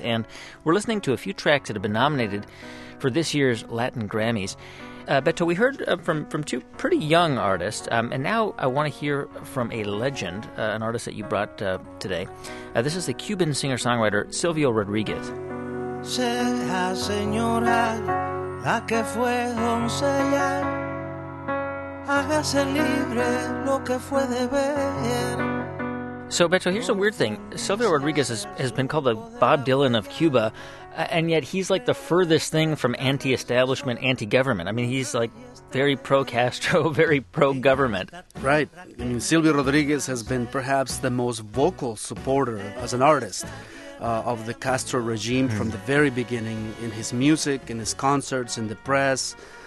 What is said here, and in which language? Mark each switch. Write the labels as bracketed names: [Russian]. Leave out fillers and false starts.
[English] And we're listening to a few tracks that have been nominated for this year's Latin Grammys. Beto, we heard from two pretty young artists, and now I want to hear from a legend, an artist that you brought today. This is the Cuban singer-songwriter Silvio Rodriguez. [Spanish] Sea señora la que fue doncella, hágase libre lo que fue de ver. [English] So, Beto, here's a weird thing. Silvio Rodriguez has been called the Bob Dylan of Cuba, and yet he's like the furthest thing from anti-establishment, anti-government. I mean, he's like very pro-Castro, very pro-government. Right. I mean, Silvio Rodriguez has been perhaps the most vocal supporter as an artist of the Castro regime from the very beginning, in his music, in his concerts, in the press.